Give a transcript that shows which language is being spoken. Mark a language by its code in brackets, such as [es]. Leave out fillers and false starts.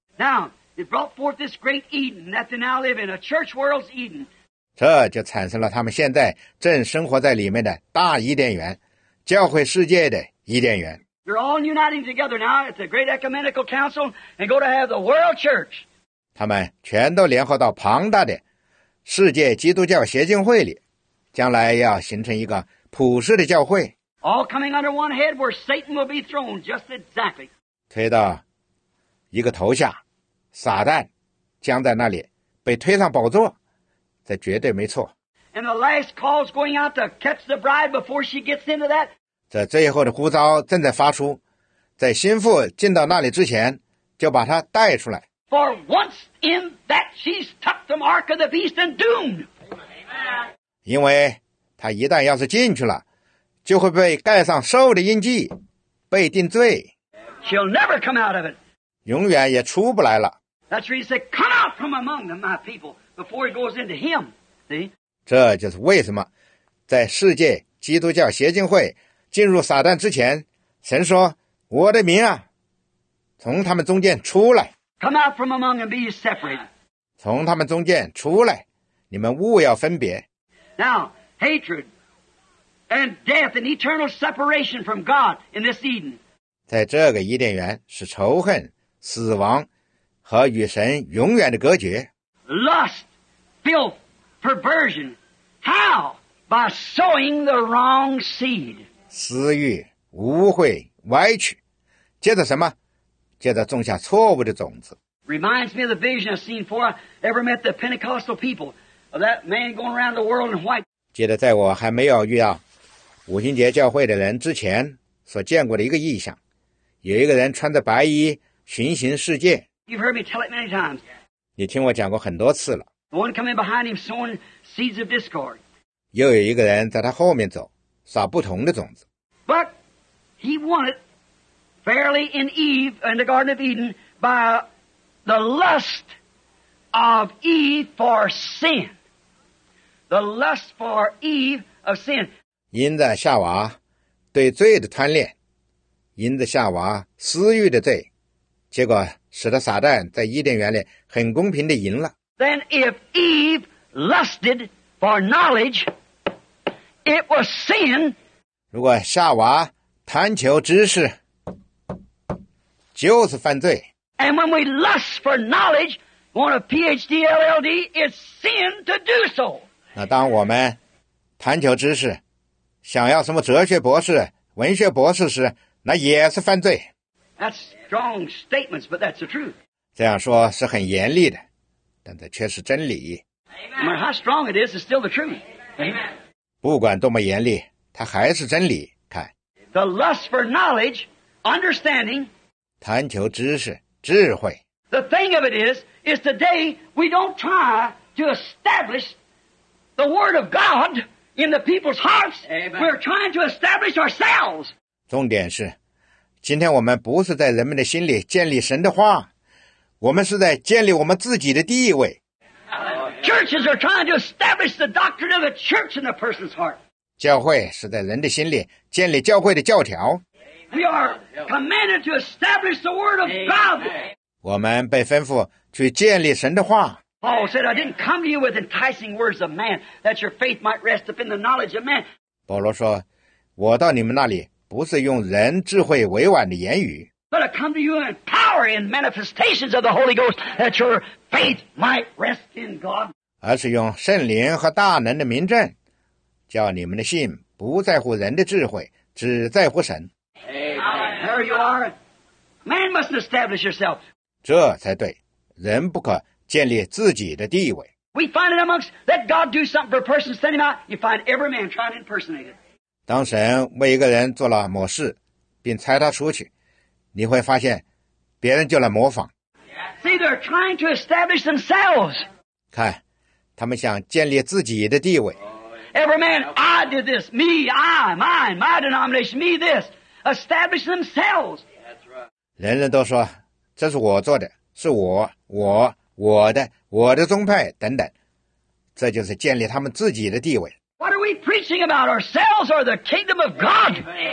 [en] Now, it brought forth this great Eden that they now live in, a church world's Eden. [zh] 这就产生了他们现在正生活在里面的大伊甸园，教会世界的伊甸园。 [en] They're all uniting together now at the great ecumenical council and go to have the world church. [zh] 他们全都联合到庞大的世界基督教协进会里，将来要形成一个普世的教会。 [en] All coming under one head where Satan will be thrown just exactly. [zh] 推到一个头下，撒旦将在那里被推上宝座，这绝对没错。 [en] And the last call is going out to catch the bride before she gets into that. [zh] 这最后的呼召正在发出，在心腹进到那里之前就把她带出来。 [en] For once in that she's tucked the mark of the beast and doomed. Amen. [zh] 因为他一旦要是进去了，就会被盖上兽的印记，被定罪。 [en] She'll never come out of it. [zh] 永远也出不来了。 [en] That's why he said, "Come out from among them, my people, before he goes into him." See? [zh] 这就是为什么在世界基督教协进会进入撒旦之前，神说：“我的民啊，从他们中间出来。 [en] Come out from among them, be ye separated. [zh] 从他们中间出来，你们务要分别。 [en] Now, hatred and death and eternal separation from God in this Eden. [zh] 在这个伊甸园是仇恨、死亡和与神永远的隔绝。 [en] Lust, filth, perversion. How? By sowing the wrong seed. [zh] 私欲、污秽、歪曲，接着什么？接着种下错误的种子。 [en] Reminds me of the vision I've seen before I ever met the Pentecostal people. Of that man going around the world in white. [zh] 记得在我还没有遇到五旬节教会的人之前所见过的一个异象，有一个人穿着白衣巡行世界。 [en] You've heard me tell it many times. [zh] 你听我讲过很多次了。 [en] The one coming behind him sowing seeds of discord. [zh] 又有一个人在他后面走，撒不同的种子。 [en] But he won it fairly in Eve and the Garden of Eden by the lust of Eve for sin. The lust for Eve of sin. [zh] 因着夏娃对罪的贪恋，因着夏娃私欲的罪，结果使得撒旦在伊甸园里很公平地赢了。 [en] Then if Eve lusted for knowledge, it was sin. [zh] 如果夏娃贪求知识，就是犯罪。 [en] And when we lust for knowledge, want a PhD, LLD, it's sin to do so. [zh] 那当我们贪求知识，想要什么哲学博士、文学博士时，那也是犯罪。 [en] That's strong statements, but that's the truth. [zh] 这样说是很严厉的，但这却是真理。 [en] No matter how strong it is, it's still the truth. Amen. [zh] 不管多么严厉，它还是真理。看 [en] ，The lust for knowledge, understanding. [zh] 贪求知识、智慧。 [en] The thing of it is today we don't try to establish the word of God in the people's hearts. Amen. We're trying to establish ourselves. [zh] 重点是。今天我们不是在人们的心里建立神的话，我们是在建立我们自己的地位。 [en] Churches are trying to establish the doctrine of the church in a person's heart. [zh] 教会是在人的心里建立教会的教条。 [en] We are commanded to establish the word of God. [zh] 我们被吩咐去建立神的话。 [en] Paul said, "I didn't come to you with enticing words of man, that your faith might rest upon the knowledge of man." [zh] 保罗说，我到你们那里。不是用人智慧委婉的言语。 [en] But I come to you in power and manifestations of the Holy Ghost that your faith might rest in God. [zh] 而是用圣灵和大能的名证，叫你们的信不在乎人的智慧，只在乎神。 [en] Amen. There you are. Man must establish yourself. [zh] 这才对，人不可建立自己的地位。 [en] We find it amongst let God do something for a person, send him out. You find every man trying to impersonate it. [zh] 当神为一个人做了某事，并差他出去，你会发现，别人就来模仿。 [en] See, they're trying to establish themselves. [zh] 看，他们想建立自己的地位。 [en] Every man, I did this, me, I, mine, my denomination, me, this, establish themselves. That's right. [zh] 人人都说这是我做的，是我，我，我的，我的宗派等等，这就是建立他们自己的地位。 [en] What are we preaching about ourselves or the kingdom of God?